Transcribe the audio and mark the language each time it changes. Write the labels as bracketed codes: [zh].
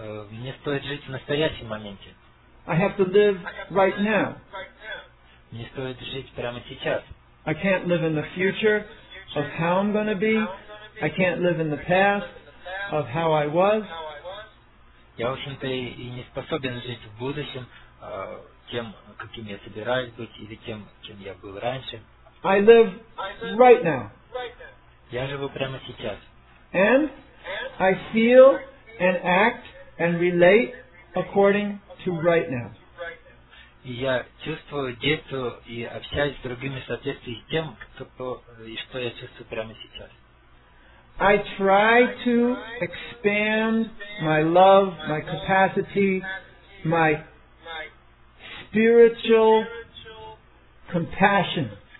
[ru] Мне стоит жить в настоящем моменте. [en] I have to live right now. [ru] Мне стоит жить прямо сейчас. [en] I can't live in the future of how I'm going to be. I can't live in the past of how I was. [ru] Я, в общем-то, и не способен жить в будущем тем, каким я собираюсь быть, или тем, кем я был раньше. [en] I live right now. [ru] Я живу прямо сейчас. [en] And I feel and act and relate according to right now. [ru] и я чувствую, действую и общаюсь с другими в соответствии с тем, что я чувствую прямо сейчас. [en] I try to expand my love, my capacity, my spiritual compassion.